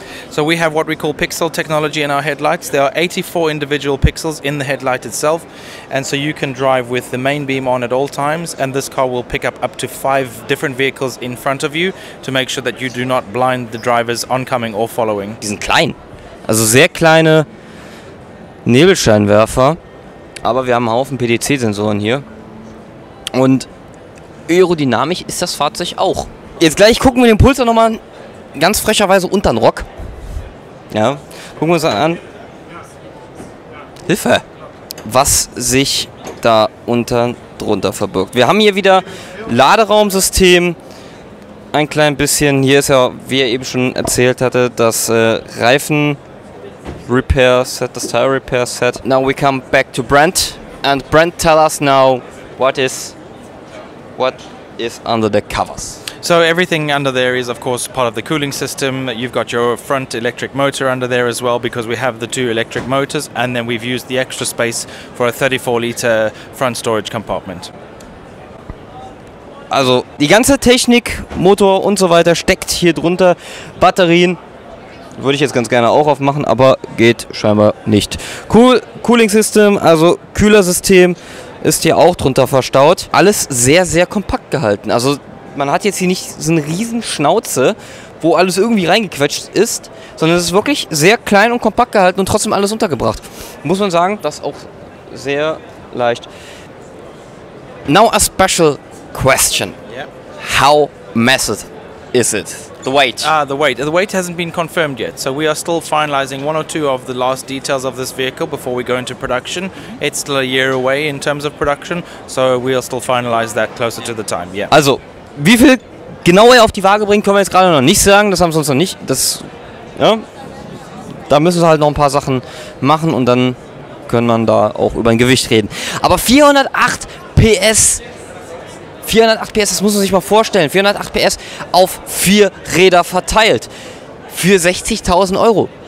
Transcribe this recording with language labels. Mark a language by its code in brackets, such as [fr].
[en] So we have what we call pixel technology in our headlights. There are 84 individual pixels in the headlight itself. And so you can drive with the main beam on at all times. And this car will pick up to 5 different vehicles in front of you to make sure that you do not blind the drivers oncoming or following. [de] Die sind klein. Also sehr kleine Nebelscheinwerfer. Aber wir haben einen Haufen PDC-Sensoren hier. Und aerodynamisch ist das Fahrzeug auch. Jetzt gleich gucken wir den Pulsar nochmal ganz frecherweise unter den Rock. Ja, gucken wir uns an. Hilfe! Was sich da unten drunter verbirgt. Wir haben hier wieder Laderaumsystem. Ein klein bisschen. Hier ist ja, wie er eben schon erzählt hatte, das Reifen-Repair-Set, das Tire-Repair-Set. [en] Now we come back to Brent. And Brent, tell us now, what is under the covers? So everything under there is of course part of the cooling system. You've got your front electric motor under there as well, because we have the two electric motors, and then we've used the extra space for a 34-liter front storage compartment. [de] Also die ganze Technik, Motor und so weiter steckt hier drunter. Batterien würde ich jetzt ganz gerne auch aufmachen, aber geht scheinbar nicht. Cooling System, also Kühlersystem, ist hier auch drunter verstaut. Alles sehr, sehr kompakt gehalten. Also man hat jetzt hier nicht so eine riesen Schnauze, wo alles irgendwie reingequetscht ist, sondern es ist wirklich sehr klein und kompakt gehalten und trotzdem alles untergebracht. Muss man sagen, das auch sehr leicht. [en] Now a special question. Yeah. How massive is it? The weight. The weight hasn't been confirmed yet. So we are still finalizing one or two of the last details of this vehicle before we go into production. It's still a year away in terms of production, so we'll still finalize that closer to the time. Yeah. [de] Also, wie viel genauer auf die Waage bringen können wir jetzt gerade noch nicht sagen, das haben sie uns noch nicht. Das, ja, da müssen sie halt noch ein paar Sachen machen und dann können wir da auch über ein Gewicht reden. Aber 408 PS, 408 PS, das muss man sich mal vorstellen, 408 PS auf vier Räder verteilt für 60.000 Euro.